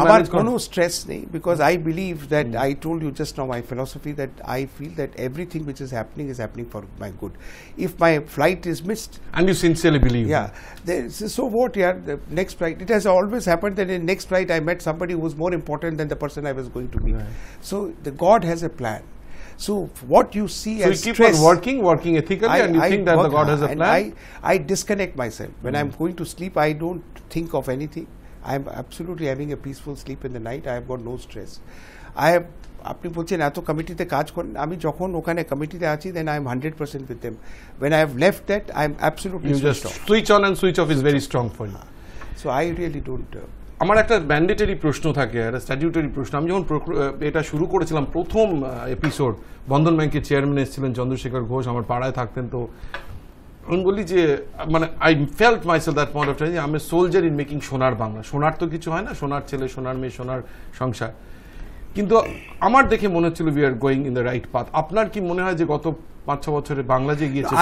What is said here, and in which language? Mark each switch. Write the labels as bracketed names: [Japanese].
[Bangla] আমার কোনো স্ট্রেস নেই, [English] because I believe that I told you just now my philosophy that I feel that everything which is happening for my good, if my flight is missed and you sincerely believe yeah so what yeah next flight, it has always happened that in next flight I met somebody who is more important than the person I was going to meet, so the God has a plan, so what you see so as you keep stress, on working ethically and you I think that the God has a plan, I disconnect myself when I'm going to sleep, I don't think of anything, I'm absolutely having a peaceful sleep in the night, I have got no stress, I have [Bangla] আপনি বলছেন এত কমিটিতে কাজ করেন, আমি যখন ওখানে কমিটিতে আছি [English] Then I am 100% with them, when I have left that I am absolutely you just off. Switch on and switch off is very strong for you, so I really don't [Bangla] আমার একটা ম্যান্ডেটরি প্রশ্ন থাকে, একটা statutory প্রশ্ন, আমি যখন এটা শুরু করেছিলাম প্রথম এপিসোড, বন্ধন ব্যাংকের চেয়ারম্যান এসেছিলেন চন্দ্রশেখর ঘোষ, আমার পাড়ায় থাকতেন, তো আমি বলি যে মানে [English] I felt myself that point of time, [Bangla] আমি সোলজার ইন মেকিং সোনার বাংলা, সোনার তো কিছু হয় না, সোনার ছেলে সোনার মেয়ে সোনার সংসার, কিন্তু আমার দেখে মনে হচ্ছিল [English] we are going in the right path, [Bangla] আপনার কি মনে হয় যে গত 5-6 বছরে বাংলা যে গিয়েছে,